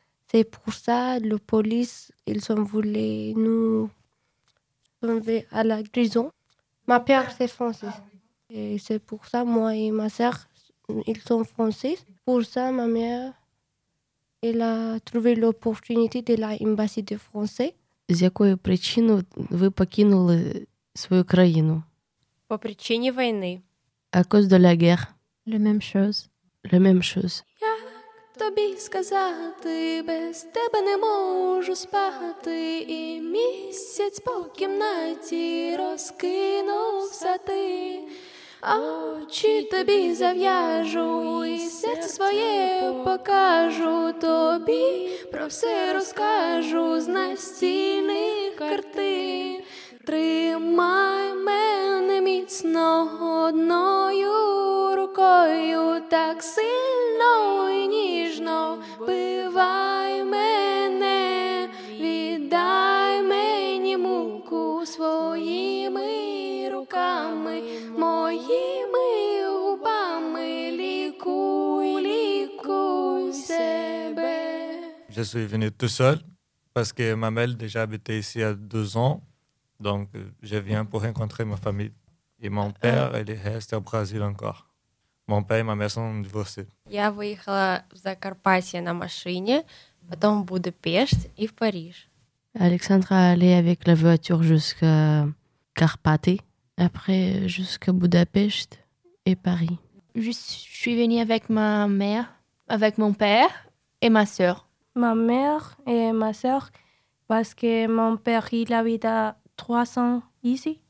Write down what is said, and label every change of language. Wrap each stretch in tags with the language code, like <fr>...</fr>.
<fr>C'est pour ça que la police, ils ont voulu nous enlever à la prison. Ma père, c'est français. Et c'est pour ça moi et ma sœur, ils sont français. Pour ça, ma mère, elle a trouvé l'opportunité de l'ambassade de français.</fr> <uk>З якої причини ви покинули свою країну? По причині війни.</uk> <fr>À cause de la guerre. La même chose. La même chose.</fr> <uk>Я Тобі сказати, без тебе не можу спати, і місяць по кімнаті розкинувся ти. Очі тобі зав'яжу і серце своє покажу, тобі про все розкажу з настільних картин. Тримай мене міцно одною рукою, так сильно і ніжно вбивай мене, віддай мені муку своїми руками, моїми губами, лікуй, лікуй себе.</uk> <fr>Je suis venu tout seul parce que ma mère déjà habitait ici à 12 ans. Donc, je viens pour rencontrer ma famille. Et mon père, il reste au Brésil encore. Mon père et ma mère sont divorcés.</fr> <uk>Я виїхала в Закарпаття на машині, потім в Будапешт і в Париж.</uk> <fr>Александра allait avec la voiture jusqu'à Carpathie, après jusqu'à Budapest et Paris. Je suis venue avec ma mère, avec mon père et ma sœur. Ma mère et ma sœur, parce que mon père, il habite à 300 ici.</fr>